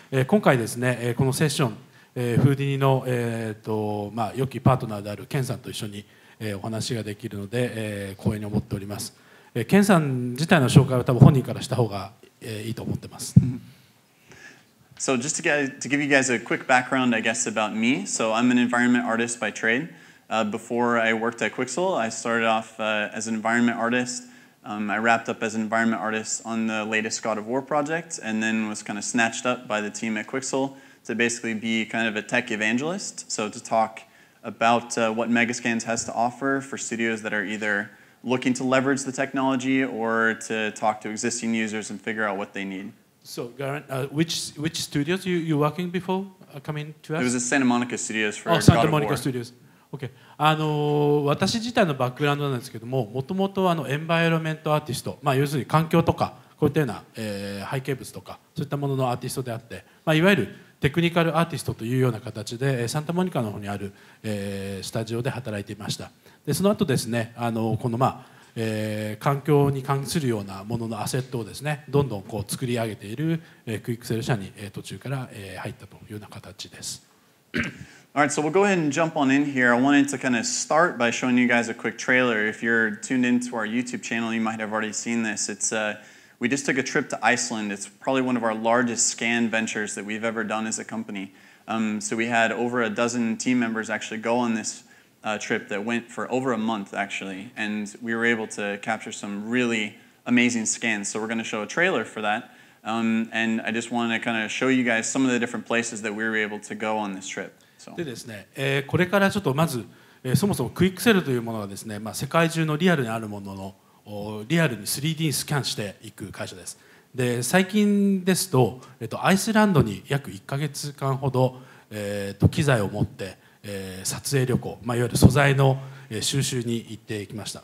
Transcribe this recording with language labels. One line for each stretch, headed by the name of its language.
Japanese: 今回ですね、このセッション、フーディニの、まあ、良きパートナーであるケンさんと一緒に、お話ができるので、光栄に思っております、ケンさん自体の紹介は多分本人からした方が、いいと思ってます
English: So just to give you guys a quick background, I guess, about me. So I'm an environment artist by trade. Before I worked at Quixel, I started off as an environment artist. I wrapped up as an environment artist on the latest God of War project and then was kind of snatched up by the team at Quixel to basically be kind of a tech evangelist, so to talk about what Megascans has to offer for studios that are either looking to leverage the technology or to talk to existing users and figure out what they need. So, Garen, which studios you were working before coming to us? It was the Santa Monica Studios for God of War. Santa Monica Studios. Okay.
Japanese: 私自体のバックグラウンドなんですけども、もともとエンバイロメントアーティスト、まあ、要するに環境とか、こういったような、背景物とか、そういったもののアーティストであって、まあ、いわゆるテクニカルアーティストというような形で、サンタモニカの方にある、スタジオで働いていました。で、その後ですね、この、まあ環境に関するようなもののアセットをですね、どんどんこう作り上げている、Quixel 社に、途中から、入ったというような形です。
English: All right, so we'll go ahead and jump on in here. I wanted to kind of start by showing you guys a quick trailer. If you're tuned into our YouTube channel, you might have already seen this. We just took a trip to Iceland. It's probably one of our largest scan ventures that we've ever done as a company. So we had over a dozen team members actually go on this trip that went for over a month, actually. And we were able to capture some really amazing scans. So we're going to show a trailer for that. And I just wanted to kind of show you guys some of the different places that we were able to go on this trip.
Japanese: でですね、これからちょっとまず、そもそもクイックセルというものがですね、まあ、世界中のリアルにあるもののリアルに 3D スキャンしていく会社です。で、最近ですと、アイスランドに約1ヶ月間ほど、機材を持って、撮影旅行、まあ、いわゆる素材の収集に行ってきました。